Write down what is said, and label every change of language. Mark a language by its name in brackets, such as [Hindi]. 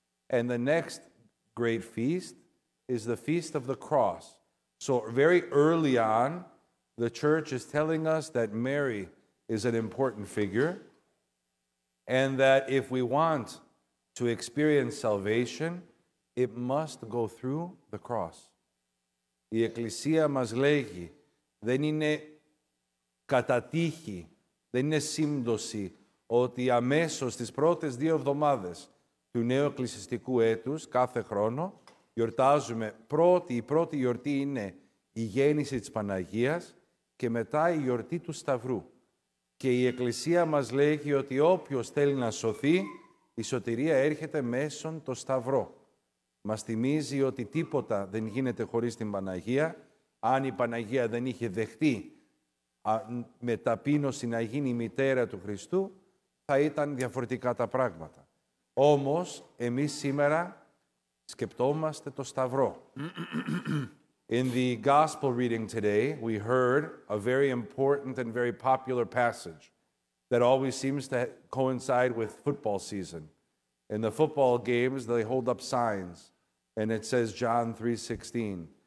[English] And the next great feast is the feast of the cross. So very early on, the church is telling us that Mary is an important figure, and that if we want to experience salvation, it must go through the cross. [Greek] Η Εκκλησία μας λέγει, δεν είναι κατά τύχη, δεν είναι σύμπτωση, ότι αμέσως τις πρώτες δύο εβδομάδες του νέου εκκλησιαστικού έτους, κάθε χρόνο, γιορτάζουμε πρώτη, η πρώτη γιορτή είναι η γέννηση της Παναγίας και μετά η γιορτή του Σταυρού. Και η Εκκλησία μας λέγει ότι όποιος θέλει να σωθεί, η σωτηρία έρχεται μέσω το Σταυρό. Μας θυμίζει ότι τίποτα δεν γίνεται χωρίς την Παναγία. Αν η Παναγία δεν είχε δεχτεί με ταπείνωση να γίνει η μητέρα του Χριστού, θα ήταν διαφορετικά τα πράγματα. Όμως, εμείς σήμερα σκεπτόμαστε το Σταυρό. [English] In the gospel reading today, we heard a very important and very popular passage that always seems to coincide with football season. In the football games, they hold up signs, and it says John 3:16.